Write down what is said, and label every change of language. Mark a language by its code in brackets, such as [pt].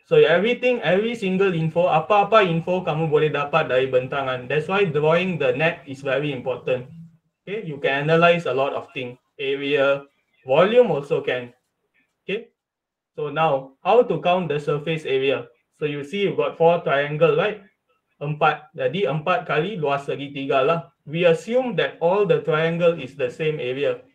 [en] So everything, every single info, [ms] apa-apa info kamu boleh dapat dari bentangan. [en] That's why drawing the net is very important. Okay? You can analyze a lot of things. Area, volume also can. Okay? So now, how to count the surface area? So you see you've got four triangle, right? [ms] Empat. Jadi empat kali luas segi tiga lah. [en] We assume that all the triangle is the same area.